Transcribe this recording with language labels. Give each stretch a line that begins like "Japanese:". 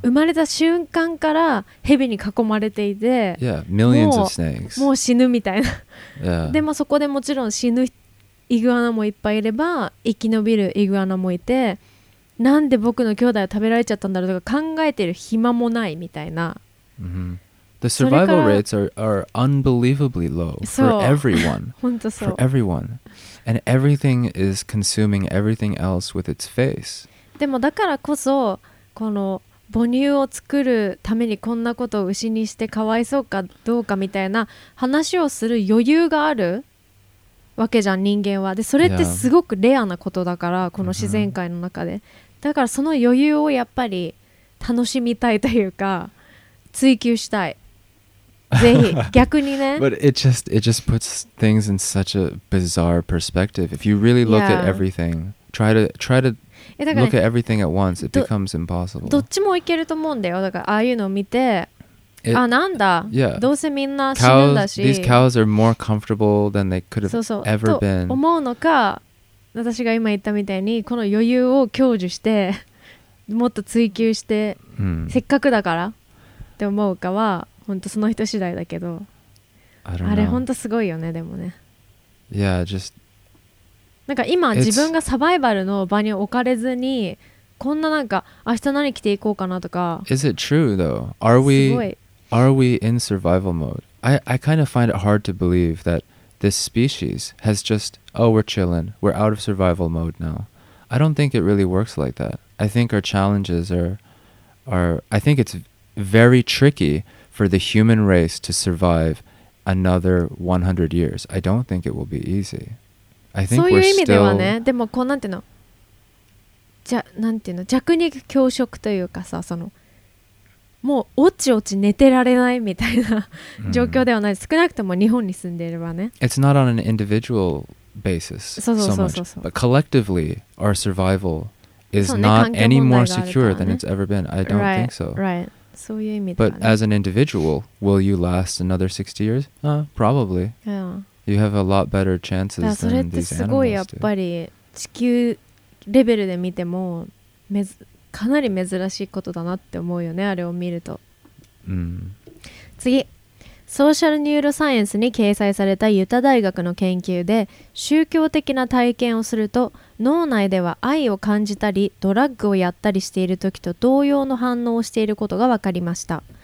Japanese: 生まれた瞬間から蛇に囲まれていて、
English: yeah. Millions of snakes.
Japanese: もう死ぬみたいな、
English: yeah.
Japanese: でもそこでもちろん死ぬイグアナもいっぱいいれば生き延びるイグアナもいて、なんで僕の兄弟は食べられちゃったんだろうとか考えてる暇もないみたいな、 mm-hmm.
English: The survival rates are unbelievably low for everyone.
Japanese: 本当そう。
English: For everyone. And everything is consuming everything else with its face.
Japanese: でもだからこそこの母乳を作るためにこんなことを牛にしてかわいそうかどうかみたいな話をする余裕があるわけじゃん人間は。でそれってすごくレアなことだからこの自然界の中で、だからその余裕をやっぱり楽しみたいというか追求したい。ぜひ逆にね。
English: But it just puts things in such a bizarre perspective. If you really look at everything, try to look at everything at once, it becomes impossible.
Japanese: どっちもいけると思うんだよ。だからああいうのを見て、あ、なんだ。
English: Yeah.
Japanese: どうせみんな死ぬんだし。
English: Cows, these cows are more comfortable than they could have ever been.
Japanese: そうそう。と思うのか、私が今言ったみたいにこの余裕を享受して、もっと追求して、せっかくだからって思うかは、本当その人次第だけど。あれ本当すごいよね、でもね。
English: Yeah, just
Japanese: なんか今自分がサバイバルの場に置かれずに、こんななんか明日何着ていこうかなとか。
English: Is it true though? Are we in survival mode? I kind of find it hard to believe that this species has just, oh, we're chilling. We're out of survival mode now. I don't think it really works like that. I think our challenges are, I think it's very tricky for the human race to survive another 100 years. I don't think it will be easy. I think we're still...
Japanese: そういう意味ではね、でもこうなんていうの、じゃ、なんていうの、弱肉強食というかさ、その、もうおちおち寝てられないみたいな状況ではない。少なくとも日本に住んでいればね。
English: It's not on an individual basis so much. But collectively, our survival is not any more secure than it's ever been. I don't think so.
Japanese: Right. そういう意味だね。
English: But as an individual, will you last another 60 years? Probably. Yeah. You have a lot better chances than these animals
Japanese: do. それってすごいやっぱり地球レベルで見てもかなり珍しいことだなって思うよね、あれを見ると。次。ソーシャルニューロサイエンスに掲載されたユタ大学の研究で、宗教的な体験をすると脳内では愛を感じたりドラッグをやったりしている時と同様の反応をしていることが分かりました。